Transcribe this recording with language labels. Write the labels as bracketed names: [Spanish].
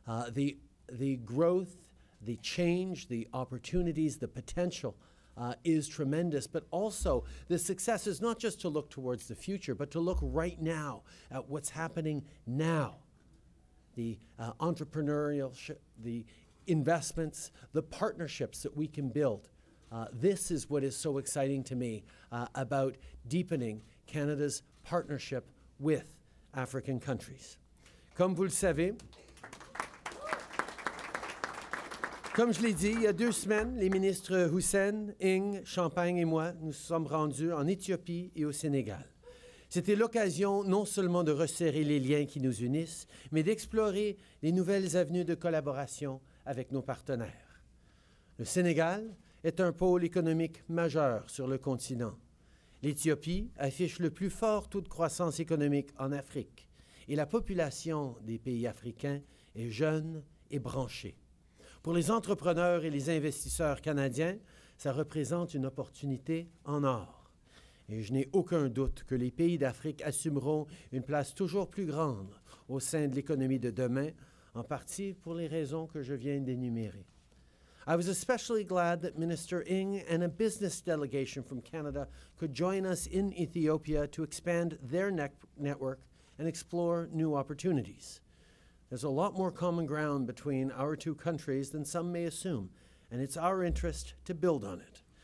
[English] The growth, the change, the opportunities, the potential is tremendous, but also the success is not just to look towards the future, but to look right now at what's happening now. The entrepreneurship, the investments, the partnerships that we can build. This is what is so exciting to me about deepening Canada's partnership with African countries. [French] Comme vous le savez, comme je l'ai dit, il y a deux semaines, les ministres Hussein, Ing, Champagne et moi, nous sommes rendus en Éthiopie et au Sénégal. C'était l'occasion non seulement de resserrer les liens qui nous unissent, mais d'explorer les nouvelles avenues de collaboration avec nos partenaires. Le Sénégal est un pôle économique majeur sur le continent. L'Éthiopie affiche le plus fort taux de croissance économique en Afrique et la population des pays africains est jeune et branchée. Pour les entrepreneurs et les investisseurs canadiens, ça représente une opportunité en or. Et je n'ai aucun doute que les pays d'Afrique assumeront une place toujours plus grande au sein de l'économie de demain, en partie pour les raisons que je viens d'énumérer. [English] I was especially glad that Minister Ing and a business delegation from Canada could join us in Ethiopia to expand their network and explore new opportunities. There's a lot more common ground between our two countries than some may assume, and it's our interest to build on it.